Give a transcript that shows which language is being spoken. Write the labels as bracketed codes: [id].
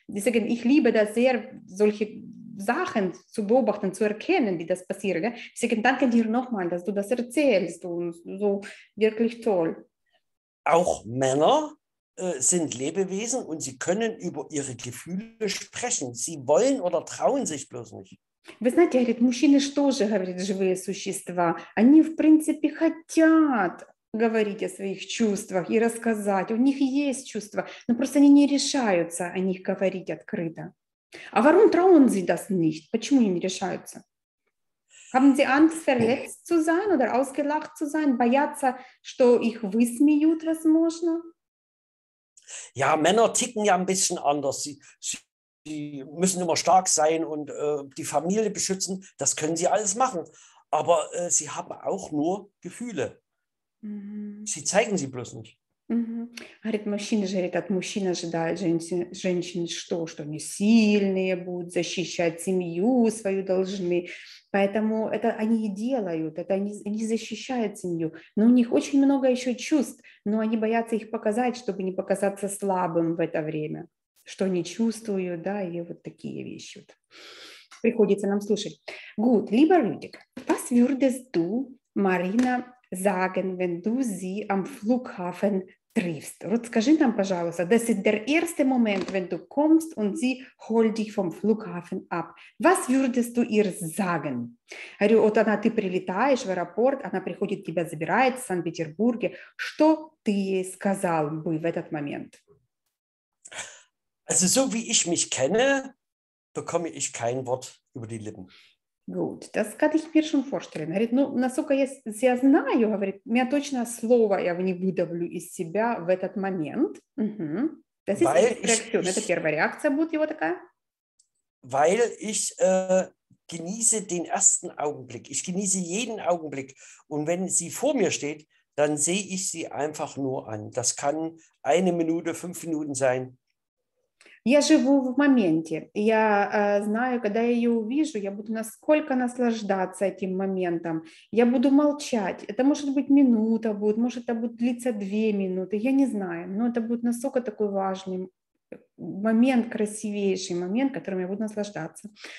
[de] Ich sage, ich liebe das sehr, solche Sachen zu beobachten, zu erkennen, die das passieren. Ich sage, danke dir nochmal, dass du das erzählst. So wirklich toll. Auch Männer sind Lebewesen und sie können über ihre Gefühle sprechen. Sie wollen oder trauen sich bloß nicht. [ru] Вы знаете, говорит, мужчины что же, говорит, живые существа. Они, в принципе, хотят говорить о своих чувствах и рассказать. У них есть чувства, но просто они не решаются о них говорить открыто. [de] А warum trauen sie das nicht? [ru] Почему они не решаются? [de] Haben sie Angst, verletzt zu sein oder ausgelacht zu sein? [ru] Боятся, что их высмеют, возможно? [de] Ja, Männer ticken ja ein bisschen anders. Sie müssen immer stark sein und die Familie beschützen. Das können sie alles machen. Aber sie haben auch nur Gefühle. Sie zeigen sie bloß nicht. [ru] Говорит, мужчина же, этот мужчина ожидает женщин, что они сильные будут, защищать семью свою должны. Поэтому это они и делают, это они защищают семью. Но у них очень много еще чувств, но они боятся их показать, чтобы не показаться слабым в это время. Что они чувствуют, да, и вот такие вещи. Приходится нам слушать. [de] Gut, lieber Rüdig, was würdest du, Marina, sagen, wenn du sie am Flughafen triffst. [ru] Вот скажи нам, пожалуйста, [de] das ist der erste Moment, wenn du kommst und sie holt dich vom Flughafen ab. Was würdest du ihr sagen? [ru] Говорю, вот она, ты прилетаешь в аэропорт, она приходит, тебя забирает в Санкт-Петербурге. Что ты ей сказал бы в этот момент? [de] Also so wie ich mich kenne, bekomme ich kein Wort über die Lippen. Gut, das kann ich mir schon vorstellen. [ru] Говорит, ну, насколько я себя знаю, говорит, у меня точно слова я не выдавлю из себя в этот момент. [de] Das ist die Reaktion. [ru] Это первая реакция будет его такая? [de] Weil ich genieße den ersten Augenblick. Ich genieße jeden Augenblick. Und wenn sie vor mir steht, dann sehe ich sie einfach nur an. Das kann eine Minute, fünf Minuten sein. [ru] Я живу в моменте. Я знаю, когда я ее увижу, я буду насколько наслаждаться этим моментом. Я буду молчать. Это может быть минута будет, может это будет длиться две минуты. Я не знаю, но это будет настолько такой важный момент, красивейший момент, которым я буду наслаждаться.